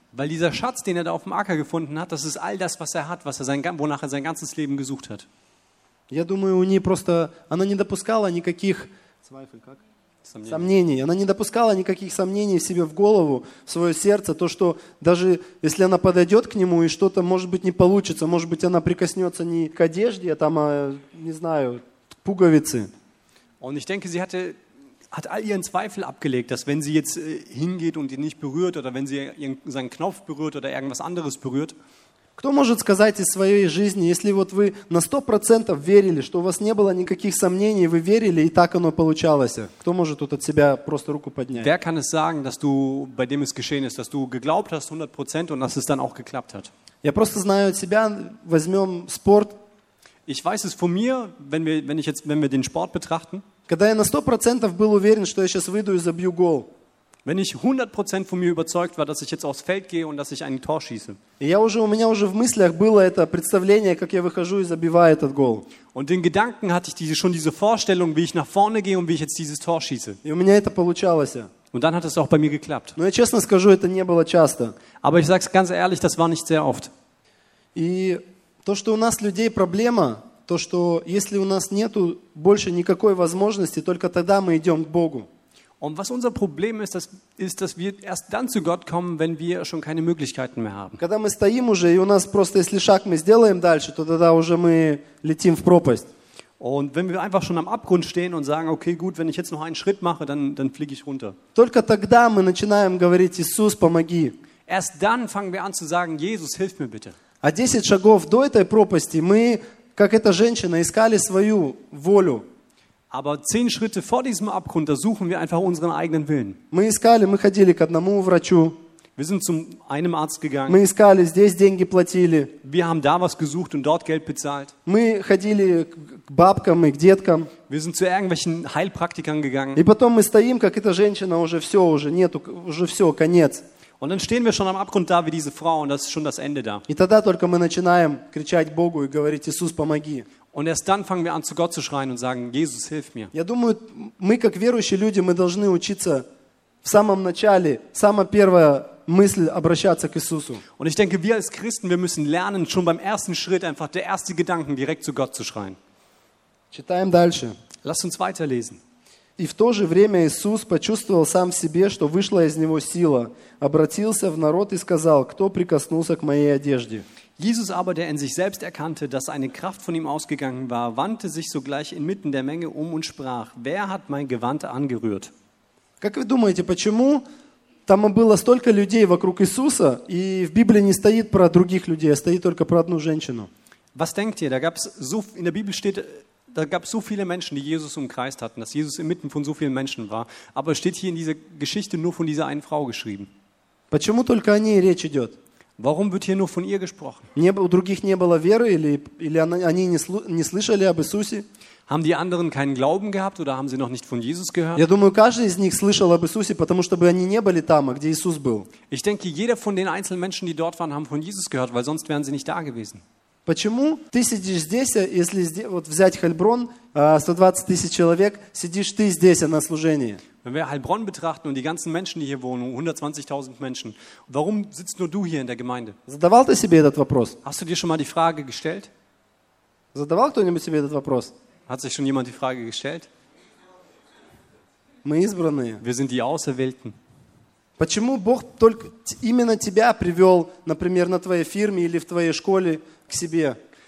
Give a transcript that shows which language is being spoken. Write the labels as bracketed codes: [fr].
[de] Weil dieser Schatz, den er da auf dem Acker gefunden hat, das ist all das, was er hat, wonach er sein ganzes Leben gesucht hat. [ru] Я думаю, у неё просто она не допускала никаких сомнений. Она не допускала никаких сомнений в себе, в голову, в свое сердце, то, что даже если она подойдет к нему, и что-то, может быть, не получится, может быть, она прикоснется не к одежде, а там, не знаю, к пуговице. [de] Und ich denke, sie hat all ihren Zweifel abgelegt, dass wenn sie jetzt hingeht und ihn nicht berührt, oder wenn sie seinen Knopf berührt oder irgendwas anderes berührt. [ru] Кто может сказать из своей жизни, если вот вы на 100% верили, что у вас не было никаких сомнений, вы верили, и так оно получалось? Кто может тут от себя просто руку поднять? [de] Wer kann es sagen, dass du, bei dem es geschehen ist, dass du geglaubt hast 100% und dass es dann auch geklappt hat? [ru] Я просто знаю от себя, возьмем спорт. [de] Ich weiß es von mir, wenn wir den Sport betrachten. [ru] Когда я на 100% был уверен, что я сейчас выйду и забью гол. [de] Wenn ich 100% von mir überzeugt war, dass ich jetzt aufs Feld gehe und dass ich ein Tor schieße. [ru] У меня уже в мыслях было это представление, как я выхожу и забиваю этот гол. [de] Und in Gedanken hatte ich schon diese Vorstellung, wie ich nach vorne gehe und wie ich jetzt dieses Tor schieße. [ru] И у меня это получалось. [de] Und dann hat es auch bei mir geklappt. [ru] Но я честно скажу, это не было часто. [de] Aber ich sage es ganz ehrlich, das war nicht sehr oft. [ru] И то, что у нас людей проблема, то, что если у нас нету больше никакой возможности, только тогда мы идем к Богу. [de] Und was unser Problem ist, dass wir erst dann zu Gott kommen, wenn wir schon keine Möglichkeiten mehr haben. [ru] Когда мы стоим уже, и у нас просто, если шаг мы сделаем дальше, то тогда уже мы летим в пропасть. [de] Und wenn wir einfach schon am Abgrund stehen und sagen, okay, gut, wenn ich jetzt noch einen Schritt mache, dann fliege ich runter. [ru] Только тогда мы начинаем говорить: Иисус, помоги. [de] Erst dann fangen wir an zu sagen: Jesus, hilf mir bitte. [ru] А 10 шагов до этой пропасти мы, как эта женщина, искали свою волю. [de] Aber 10 Schritte vor diesem Abgrund, da suchen wir einfach unseren eigenen Willen. [ru] Мы искали, мы ходили к одному врачу. [de] Wir sind zu einem Arzt gegangen. [ru] Мы искали, здесь деньги платили. [de] Wir haben da was gesucht und dort Geld bezahlt. [ru] Мы ходили к бабкам и к деткам. [de] Wir sind zu irgendwelchen Heilpraktikern gegangen. [ru] И потом мы стоим, как эта женщина, уже все, конец. [de] Und dann stehen wir schon am Abgrund da wie diese Frau, und das ist schon das Ende da. [ru] И тогда только мы начинаем кричать Богу и говорить: Иисус, помоги. [de] Und erst dann fangen wir an, zu Gott zu schreien und sagen: Jesus, hilf mir. [ru] Я думаю, мы как верующие люди, мы должны учиться в самом начале, самая первая мысль обращаться к Иисусу. [de] Und ich denke, wir als Christen, wir müssen lernen, schon beim ersten Schritt einfach der erste Gedanken direkt zu Gott zu schreien. [ru] Читаем дальше. [de] Lass uns weiterlesen. [ru] И в то же время Иисус почувствовал сам в себе, что вышла из него сила, обратился в народ и сказал: кто прикоснулся к моей одежде? [de] Jesus aber, der in sich selbst erkannte, dass eine Kraft von ihm ausgegangen war, wandte sich sogleich inmitten der Menge um und sprach: wer hat mein Gewand angerührt? [ru] Как вы думаете, почему Там было столько людей вокруг Иисуса, и в Библии не стоит про других людей, а стоит только про одну женщину. [de] Was denkt ihr? Da gab's so, in der Bibel steht, da gab's so viele Menschen, die Jesus umkreist hatten, dass Jesus inmitten von so vielen Menschen war. Aber es steht hier in dieser Geschichte nur von dieser einen Frau geschrieben. [ru] Почему только о ней речь идет? [de] Warum wird hier nur von ihr gesprochen? [ru] Не, у других не было веры или они не слышали об Иисусе? [de] Haben die anderen keinen Glauben gehabt oder haben sie noch nicht von Jesus gehört? [ru] Я думаю, каждый из них слышал об Иисусе, потому что бы они не были там, а где Иисус был. [de] Ich denke, jeder von den einzelnen Menschen, die dort waren, haben von Jesus gehört, weil sonst wären sie nicht da gewesen. [ru] Почему ты сидишь здесь, если вот взять Хельброн, 120 тысяч человек, сидишь ты здесь на служении? [de] Wenn wir Heilbronn betrachten und die ganzen Menschen, die hier wohnen, 120.000 Menschen, warum sitzt nur du hier in der Gemeinde? [ru] Задавал ты себе этот вопрос? [de] Hast du dir schon mal die Frage gestellt? [ru] Задавал кто-нибудь себе этот вопрос? [de] Hat sich schon jemand die Frage gestellt? [ru] Мы избранные. [de] Wir sind die Auserwählten. [ru] Почему Бог только именно тебя привел, например, на твоей фирме или в твоей школе к себе?